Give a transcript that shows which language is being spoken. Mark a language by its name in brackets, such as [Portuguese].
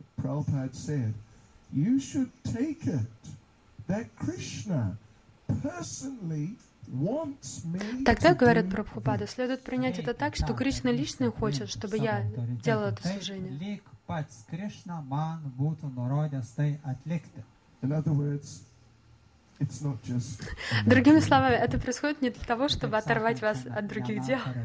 [English] Prabhupada said, you should take it that Krishna personally wants me. [Russian] Тогда, говорит Прабхупада, следует принять это так, что Кришна лично хочет, чтобы я делал это служение. [Lithuanian] Pats Krishna man būtų nurodęs tai atlikti. [English] In other words, it's not just. [Russian] Другими словами, это происходит не для того, чтобы оторвать вас от других дел.